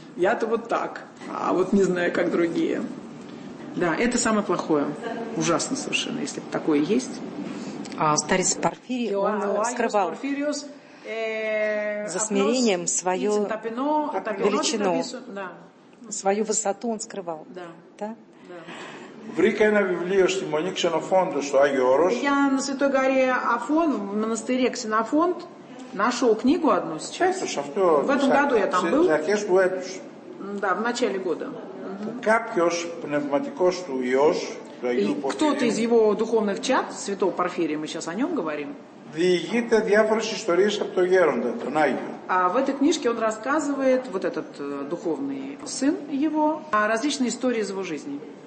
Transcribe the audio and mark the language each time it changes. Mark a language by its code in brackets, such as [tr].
[ru] Я-то вот так, а вот не знаю, как другие. Да, это самое плохое. Ужасно совершенно, если такое есть. А старец Порфирий, он скрывал за смирением свою величину. Свою высоту он скрывал. Да. Да? [el] Βρήκα ένα βιβλίο στη Μονή Ξενοφόντο στο Άγιο Όρος. [ru] Я на Святой горе Афон, в монастыре Ксенофонт, нашел книгу одну сейчас. [el] Έτσι, αυτό, [ru] в этом году я там был. [el] Αρχές του έτους. [ru] Да, в начале года. [el] Που κάποιος πνευματικός του Υιός, του Αγίου Πορφύρια. [ru] Кто-то из его духовных чад, Святого Порфирия, мы сейчас о нем говорим. [el] Διηγείται διάφορες ιστορίες από τον Γέροντα, τον Άγιο. [ru] А в этой книжке он рассказывает, вот этот духовный сын его, о различные истории из его жизни.